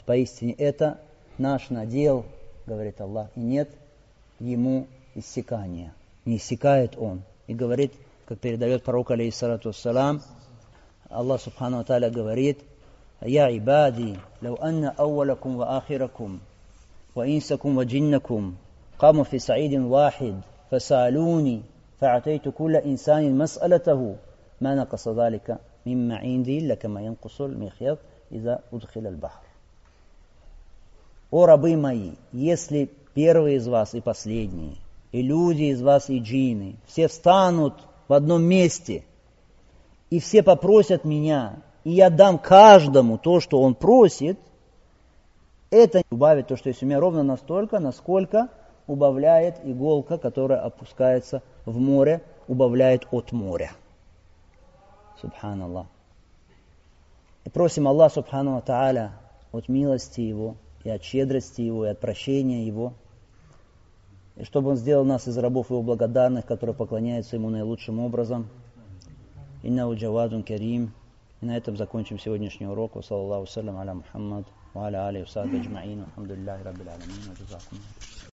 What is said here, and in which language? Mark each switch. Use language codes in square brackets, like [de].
[ru] Поистине это наш надел, говорит Аллах, и нет ему иссякания. Не иссякает он. И говорит, как передает пророк, алейхиссалату вассалам, Аллах субхана ва тааля говорит: [ar] «Я ибади, лау анна ауалакум ва ахиракум». وإنسكم وجنكم قاموا في سعيد واحد فسألوني فأعطيت كل إنسان مسألته ما نقص ذلك مما عندي إلا كما ينقص المخيط إذا أدخل البحر. [ru] О рабы мои, если первые из вас и последние, и люди из вас и джинны, все встанут в одном месте, и все попросят меня, и я дам каждому то, что он просит, это убавит то, что есть у меня ровно настолько, насколько убавляет иголка, которая опускается в море, убавляет от моря. Субханаллах. И просим Аллах субхану ва тааля от милости Его, и от щедрости Его, и от прощения Его, и чтобы Он сделал нас из рабов Его благодарных, которые поклоняются Ему наилучшим образом. [ar] Иннаху джавадун карим. [ru] И на этом закончим сегодняшний урок. [ar] Ассаляму алейкум, Мухаммад. وعلى آله وصحبه أجمعين والحمد لله رب العالمين وجزاكم الله خيرا.